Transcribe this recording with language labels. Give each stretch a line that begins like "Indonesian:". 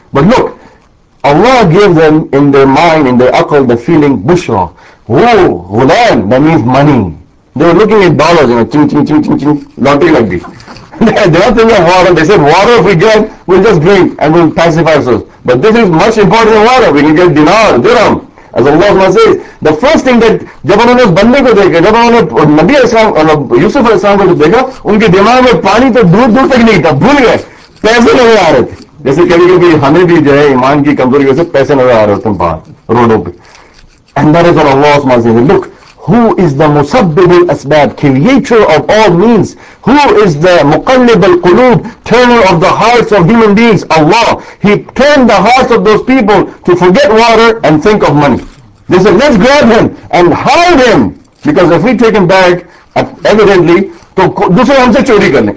English: But look, Allah gave them in their mind, in their aql, the feeling, bushra. Whoa, ghulam, that means money. They were looking at dollars, you know, ching, ching, ching, ching, ching, lottery like this. They were thinking of water, they said, water if we get, we'll just drink and we'll pacify ourselves. But this is much important than water, we can get dinar, dirham. As Allah Subhanahu says, the first thing that
Hindi: जब उन्होंने उस बंदे को देखा, जब उन्होंने नबी अस्सलाम यूसुफ अस्सलाम को देखा, उनके दिमाग में पानी तो दूर दूर तक नहीं था, भूल गए, पैसे नजर आ रहे थे। जैसे कभी कभी हमें भी जो है ईमान की कमजोरी से पैसे नजर आ रहे होते हैं बाहर रोडों पे।
English: And that is what Allah Subhanahu says. Look, who is the musabbib al-asbab, creator of all means? Who is the muqallib al-qulub, turner of the hearts of human beings? Allah. He turned the hearts of those people to forget water and think of money. They said, let's grab him and hide him. Because if we take him back, evidently, to
Hindi: dusre humse chori karne.